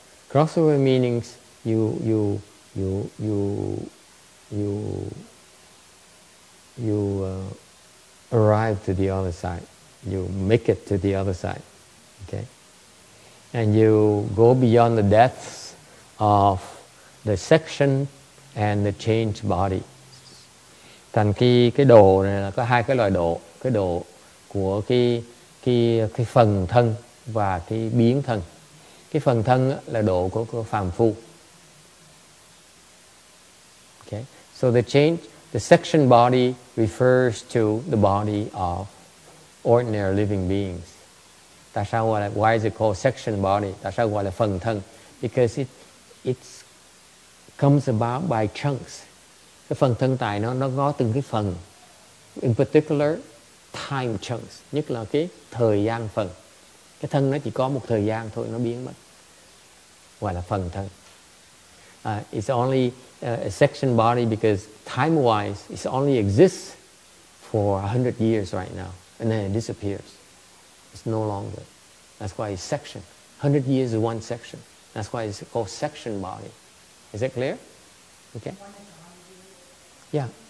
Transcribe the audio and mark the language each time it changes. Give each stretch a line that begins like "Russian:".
English: Crossover means you arrive to the other side. You make it to the other side. Okay? And you go beyond the depths of the section and the changed body.
Vietnamese: Thành cái độ này là có hai cái loại độ. Cái độ của cái phần thân và cái biến thân. Cái phần thân là độ của phàm phu.
English: Okay. So the change, the section body refers to the body of ordinary living beings.
Vietnamese: Tại sao gọi là,
English: why is it called section body?
Vietnamese: Tại sao gọi là phần thân?
English: Because it comes about by chunks.
Vietnamese: Cái phần thân tài nó có từng cái phần.
English: In particular, time chunks.
Vietnamese: Nhất là cái thời gian phần. Cái thân nó chỉ có một thời gian thôi, nó biến mất. Gọi là phần thân.
English: It's only a section body because time-wise, it only exists for 100 years right now. And then it disappears. It's no longer. That's why it's section. 100 years is one section. That's why it's called section body. Is that clear? Okay. Yeah.